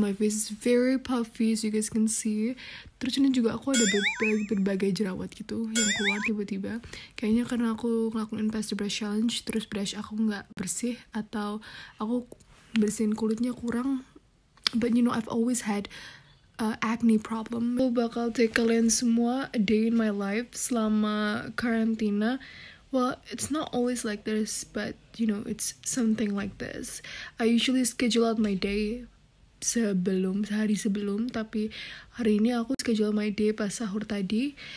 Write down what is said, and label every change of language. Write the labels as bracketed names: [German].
[English] My face is very puffy as you guys can see. [Indonesian] Terus ini juga aku ada berbagai jerawat gitu yang keluar tiba-tiba. Kayaknya karena aku ngelakuin plastic brush challenge, terus brush aku nggak bersih atau aku bersihin kulitnya kurang. [English] But you know, I've always had acne problem. [Indonesian] Aku bakal take kalian semua [English] a day in my life [Indonesian] selama karantina. [English] Well, it's not always like this, but you know, it's something like this. I usually schedule out my day [Indonesian] sehari sebelum, tapi hari ini aku [English] schedule my day [Indonesian] pas sahur tadi.